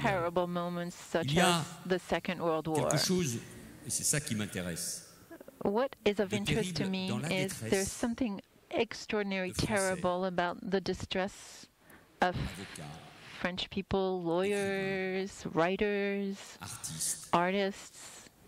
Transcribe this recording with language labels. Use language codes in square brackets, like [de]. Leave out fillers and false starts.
[en] Terrible moments such as the Second World War. [fr] Il y a quelque chose, et c'est ça qui m'intéresse. [en] What is of interest to me is there's something extraordinary, terrible about the distress of French people, lawyers, writers, artists,